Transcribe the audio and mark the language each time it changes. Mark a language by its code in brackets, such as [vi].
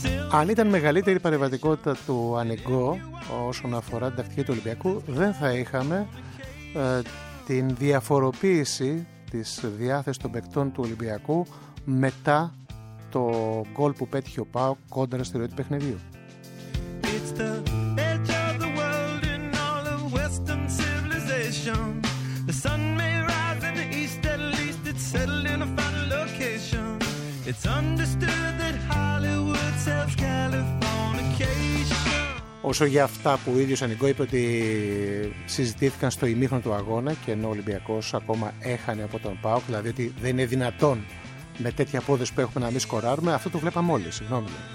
[el] Αν ήταν μεγαλύτερη η παρεμβατικότητα του Ανιγκό όσον αφορά την τακτική του Ολυμπιακού, δεν θα είχαμε την διαφοροποίηση της διάθεσης των παικτών του Ολυμπιακού μετά το γκολ που πέτυχε ο ΠΑΟΚ κόντρα στη ροή του παιχνιδιού. [en] It's the edge of the world in all of Western civilization. occasion. The sun may rise in the east, at least it's settled in a final location. It's understood that Hollywood sells Californication. [el] Όσο για αυτά που ο ίδιος Ανοιγκό είπε ότι συζητήθηκαν στο ημίχρονο του αγώνα και ενώ ο Ολυμπιακός ακόμα έχανε από τον ΠΑΟΚ, δηλαδή ότι δεν είναι δυνατόν με τέτοια πόδες που έχουμε να μην σκοράρουμε, αυτό το βλέπαμε όλοι, συγγνώμη.